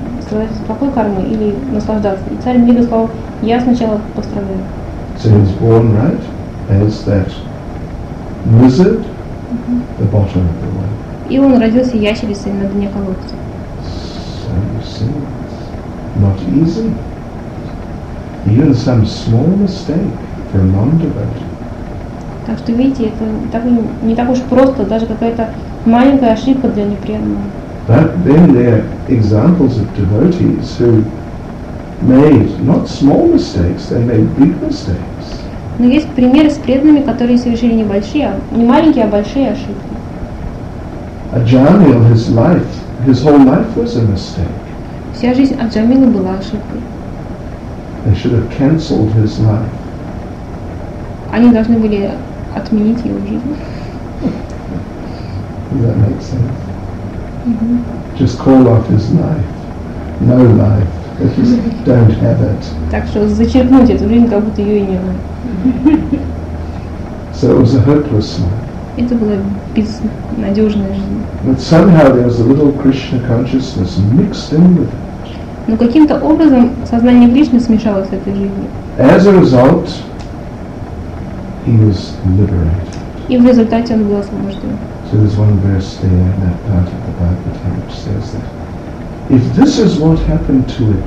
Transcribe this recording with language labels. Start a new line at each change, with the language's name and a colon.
Russian: Страдать от плохой кармы или наслаждаться. И царь Мнига сказал, я сначала пострадаю.
English: So he was born right as that lizard, the bottom of the well.
Russian: И он родился ящерицей на дне колодца.
English: So you see, it's not easy. Even some small mistake for a non-devotee.
Russian: Так что видите, это не так уж просто, даже какая-то маленькая ошибка для непреданного.
English: But then there are examples of devotees who made not small mistakes, they made big mistakes.
Russian: Но есть примеры с преданными, которые совершили не большие, не маленькие, а большие ошибки.
English: Аджамил, his life, his whole life was a mistake.
Russian: Вся жизнь Аджамила была ошибкой.
English: They should have cancelled his life.
Russian: Они должны были отменить его жизнь.
English: Does that make sense? Mm-hmm. Just call off his life. No life. Just don't have it.
Russian: Так что зачеркнуть эту жизнь, как будто ее и не было.
English: So it was a hopeless life.
Russian: Это была безнадежная жизнь.
English: But somehow there was a little Krishna consciousness mixed in with it.
Russian: Но каким-то образом сознание Кришны смешалось с этой жизнью.
English: As a result, he was liberated.
Russian: И в результате он был освобожден.
English: So there's one verse there in that part of the Bhagavatam which says that if this is what happened to